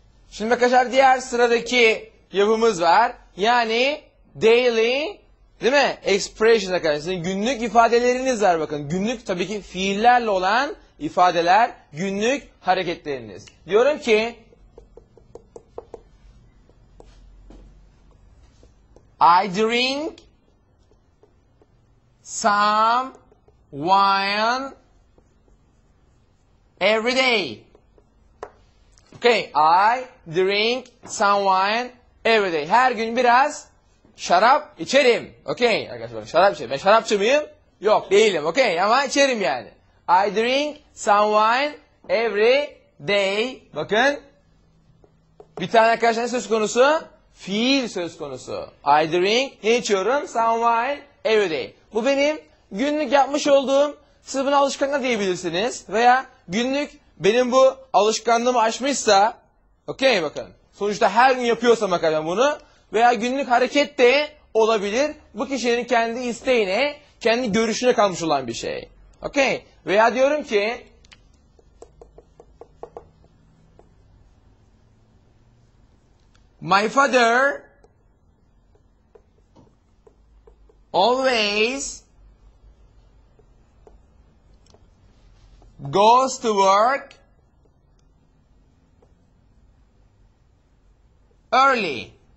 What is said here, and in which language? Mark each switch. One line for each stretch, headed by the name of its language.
Turkish: Şimdi arkadaşlar diğer sıradaki yapımız var. Yani daily, değil mi? Expression arkadaşlar. Sizin günlük ifadeleriniz var bakın. Günlük tabii ki fiillerle olan ifadeler, günlük hareketleriniz. Diyorum ki
English: I drink some wine every day. Okay, I drink some wine every day.
Turkish: Her gün biraz şarap içerim. Okay, arkadaşlar şarap içerim. Ben şarapçı mıyım? Yok, değilim. Okay, ama içerim yani.
English: I drink some wine every day.
Turkish: Bakın. Bir tane arkadaşlar söz konusu? Fiil söz konusu.
English: I drink,
Turkish: ne içiyorum?
English: Some wine every day.
Turkish: Bu benim günlük yapmış olduğum, siz buna alışkanlık diyebilirsiniz. Veya günlük benim bu alışkanlığımı aşmışsa, okey bakın, sonuçta her gün yapıyorsam arkadaşlar bunu, veya günlük hareket de olabilir. Bu kişinin kendi isteğine, kendi görüşüne kalmış olan bir şey. Okey. Veya diyorum ki
English: my father always goes to work early.